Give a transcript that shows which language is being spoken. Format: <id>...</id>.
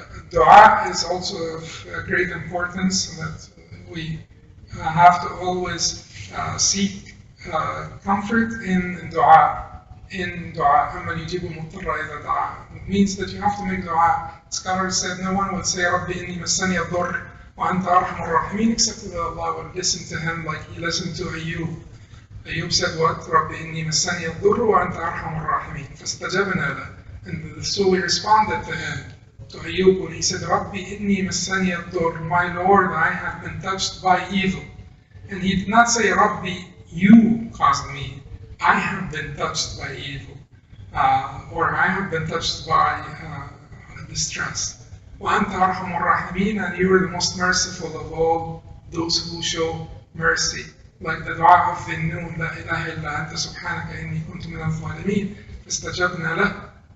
<en>Dua is also of great importance, that we have to always seek comfort in dua. In dua,</en> <ar>أَمَّنْ يُجِبُ مُضْطَرَّ إِذَا دَعَى.</ar> <en>It means that you have to make dua. Scholars said no one would say</en> <ar>رَبِّ إِنِّي مَسَّنِيَ الضُّرُّ وَأَنْتَ أَرْحَمُ الرَّاحِمِينَ</ar> <en>except that Allah would listen to him like he listened to Ayyub. Ayyub said what?</en> <ar>رَبِّ إِنِّي مَسَّنِيَ الضُّرُّ وَأَنْتَ أَرْحَمُ الرَّاحِمِينَ فَاسْتَجَبْنَا لَهُ.</ar> <en>And so we responded to him, to Ayyub, when he said</en> <ar>رَبِّ إِنِّي مَسَّنِيَ الضُّرُّ.</ar> <en>My Lord, I have been touched by evil. And he did not say رَبِّ you caused me. I have been touched by evil, or I have been touched by distress.</en> <ar>وَأَنْتَ أَرْحَمُ الرَّاحِمِينَ</ar> <en>and you are the most merciful of all those who show mercy. Like the dua of the noon,</en> <ar>لا إله إلا أنت سبحانك إني كنت من الظالمين استجبنا له.</ar>